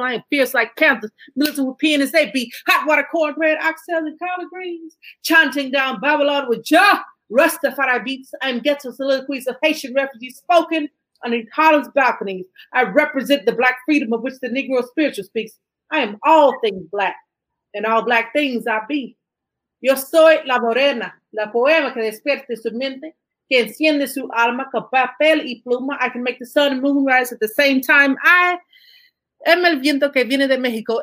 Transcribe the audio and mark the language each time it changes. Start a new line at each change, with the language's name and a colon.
English: I am fierce like panthers, militant with pianists. They be hot water, cornbread, oxtail, and collard greens. Chanting down Babylon with Jah, Rastafari beats. I am ghetto soliloquies of Haitian refugees spoken underneath Harlem's balconies. I represent the black freedom of which the Negro spiritual speaks. I am all things black, and all black things I be.
Spanish: Yo soy la morena, la poema que despierte su mente, que enciende su alma con papel y pluma.
English: I can make the sun and moon rise at the same time. I am
Spanish: el viento que viene de México.